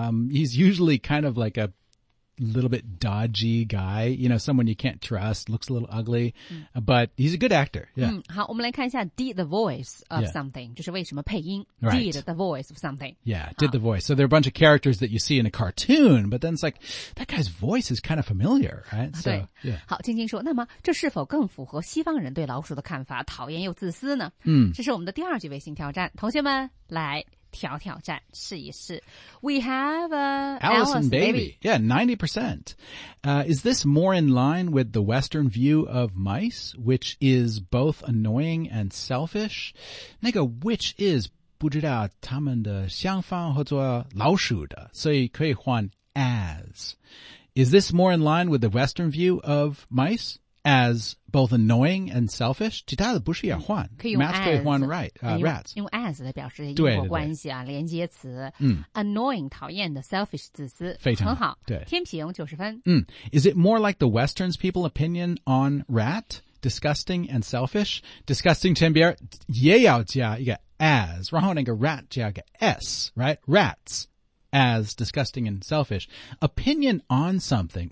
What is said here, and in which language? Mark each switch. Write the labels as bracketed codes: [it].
[en] He's usually kind of like a little bit dodgy guy, you know, someone you can't trust, looks a little ugly, but he's a good actor. Yeah. [zh] 好，我们来看一下 [en] did the voice of something, [zh] 就是为什么配音 did the voice of something. [en] Yeah, did the voice. So there are a bunch of characters that you see in a cartoon, but then it's like, that guy's voice is kind of familiar, right? So, yeah. [zh] 好，晶晶说，那么这是否更符合西方人对老鼠的看法，讨厌又自私呢？这是我们的第二句微信挑战，同学们来挑挑战，试一试。 [en] We have Allison Baby. Yeah, 90%. Is this more in line with the Western view of mice, which is both annoying and selfish? [zh] 那个 which is 不知道他们的相反或者老鼠的，所以可以换 as. [en] Is this more in line with the Western view of mice? As both annoying and selfish, [zh] 其他的不是也换，可以用 as 可以换 right, rats 用 as 来表示因果关系啊，连接词。 Annoying 讨厌的 ，selfish 自私，非常好。对，天平90分。 [en] Is it more like the Western people's opinion on rat, disgusting and selfish? [zh] Disgusting 前边也要加一个 as， 然后那个 rat 加一个 s， right? Rats. [en] As disgusting and selfish. Opinion on something.